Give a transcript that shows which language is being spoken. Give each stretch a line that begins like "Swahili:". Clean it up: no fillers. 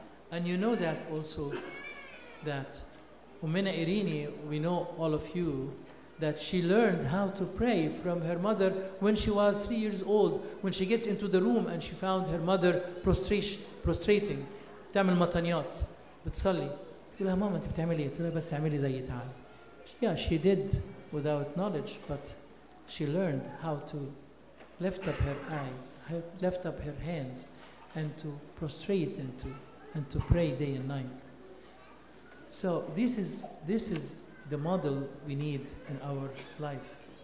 English: And you know that also, that Umena Irini, we know all of you, that she learned how to pray from her mother when she was 3 years old, when she gets into the room and she found her mother prostrating.
Arabic: تعمل مطانيات بتصلي. تقول لها ماما انت بتعملي ايه؟ تقول لها بس اعملي زي تعال.
English: Yeah, she did without knowledge, but she learned how to lift up her eyes, lift up her hands, and to prostrate and to pray day and night. So this is the model we need in our life.